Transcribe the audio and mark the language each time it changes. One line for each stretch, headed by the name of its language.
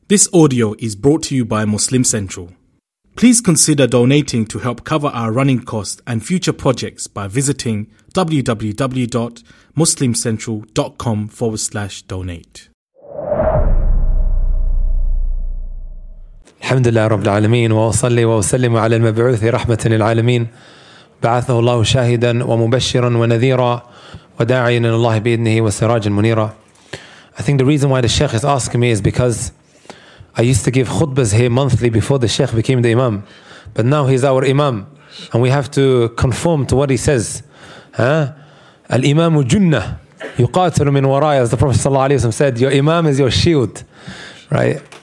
English: This audio is brought to you by Muslim Central. Please consider donating to help cover our running costs and future projects by visiting www.muslimcentral.com/donate.
Arabic: الحمد لله رب العالمين وأصلي وأسلم على المبعوث رحمة للعالمين بعثه الله شاهدا ومبشرا ونذيرا وداعيا إلى الله بإذنه وسراجا منيرا.
English: I think the reason why the Sheikh is asking me is because I used to give khutbas here monthly before the Sheikh became the Imam. But now he's our Imam. And we have to conform to what he says.
Arabic: Al-Imamu Junnah yuqatilu min waraya,
English: as the Prophet sallallahu alayhi wa sallam said, your Imam is your shield. Right?